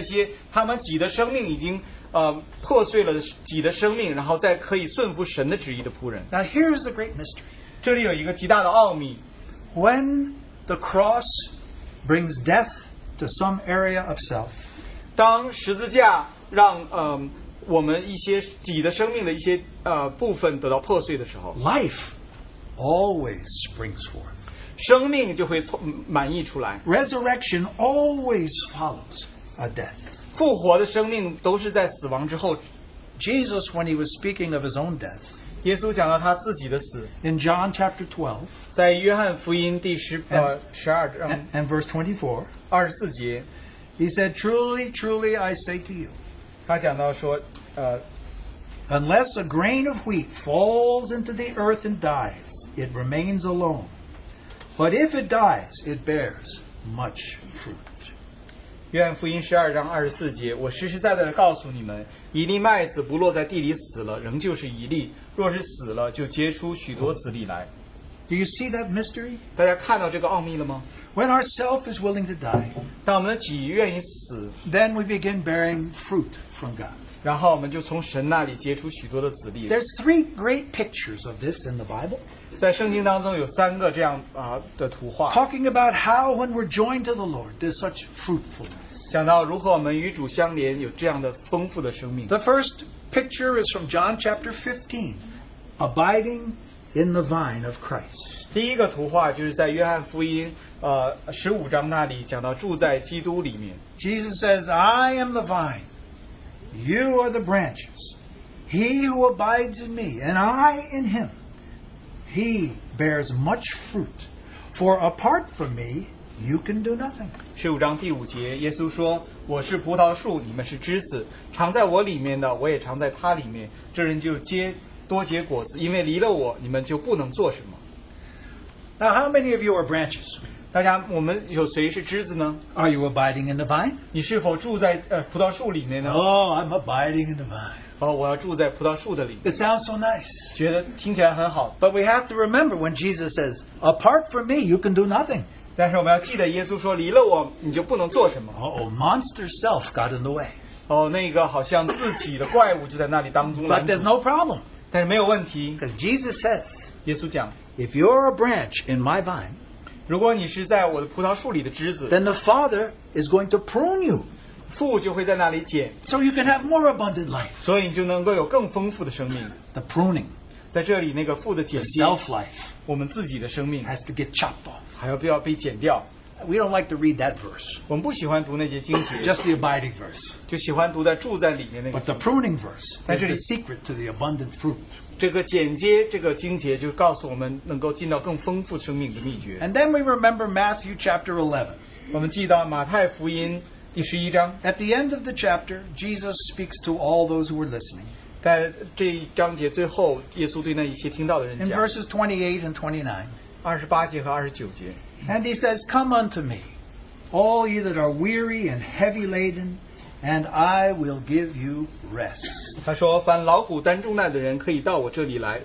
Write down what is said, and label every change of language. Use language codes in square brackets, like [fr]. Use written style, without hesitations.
[zh] 神只能用的那些仆人，就是那些他们己的生命已经 破碎了己的生命， 然后再可以顺服神的旨意的仆人。 [en] Now here's the great mystery. [zh] 这里有一个极大的奥秘。 [en] When the cross brings death to some area of self, [zh] 当十字架让 我们一些己的生命的一些 部分得到破碎的时候， [en] life always springs forth. [zh] 生命就会满溢出来。 [en] Resurrection always follows a death. [zh] 复活的生命都是在死亡之后。 [en] Jesus, when he was speaking of his own death, [zh] 耶稣讲到他自己的死, [en] in John chapter 12, [zh] 在约翰福音第十, [en] and verse 24, [zh] 24节, [en] he said, truly, truly, I say to you, [zh] 他讲到说, [en] unless a grain of wheat falls into the earth and dies, it remains alone. But if it dies, it bears much fruit. [zh] 约翰福音十二章二十四节，我实实在在的告诉你们，一粒麦子不落在地里死了，仍旧是一粒；若是死了，就结出许多子粒来。 [en] Do you see that mystery? [zh] 大家看到这个奥秘了吗？ [en] When our self is willing to die, [zh] 当我们的己愿意死, [en] then we begin bearing fruit from God. [zh] 然后我们就从神那里结出许多的子粒。 [en] There's three great pictures of this in the Bible. [zh] 在圣经当中有三个这样, 的图画, [en] talking about how when we're joined to the Lord, there's such fruitfulness. [zh] 想到如何我们与主相连有这样的丰富的生命。 [en] The first picture is from John chapter 15, abiding in the vine of Christ. [zh] 第一个图画就是在约翰福音, 15章那里讲到住在基督里面。 [en] Jesus says, I am the vine, you are the branches. He who abides in me and I in him, he bears much fruit, for apart from me, you can do nothing. [zh] 15章第5节, 耶稣说, 我是葡萄树, 你们是枝子, 常在我里面的, 我也常在他里面, 这人就接, 多结果子, 因为离了我, 你们就不能做什么。 [en] Now, how many of you are branches? [zh] 大家, 我们有谁是枝子呢? [en] Are you abiding in the vine? [zh] 你是否住在, 葡萄树里面呢? [en] Oh, I'm abiding in the vine. Oh, it sounds so nice. But we have to remember when Jesus says, apart from me, you can do nothing. Uh oh, monster self got in the way. Oh, but there's no problem. Because Jesus says, [zh] 耶稣讲, [en] if you're a branch in my vine, then the Father is going to prune you. So you can have more abundant life. [zh] 所以你就能够有更丰富的生命。 [en] The pruning, [zh] 在这里那个父的剪辑, [en] the self life, [zh] 我们自己的生命, [en] has to get chopped off. [zh] 还要被剪掉。 [en] We don't like to read that verse. [zh] 我们不喜欢读那些经节。 [en] Just the abiding verse. [zh] 就喜欢读在住在里面那个。 [en] But the pruning verse, [zh] 在这里, [en] is the secret to the abundant fruit. [zh] 这个剪接, 这个经节, 就告诉我们能够进到更丰富生命的秘诀。 [en] And then we remember Matthew chapter 11. [zh] 我们记到马太福音, 第十一章, [en] at the end of the chapter, Jesus speaks to all those who were listening. [zh] 在这一章节最后, [en] in verses 28 and 29, [zh] 28节和29节, [en] and he says, come unto me, all ye that are weary and heavy laden, and I will give you rest. [zh] 他说,凡劳苦担重担的人可以到我这里来,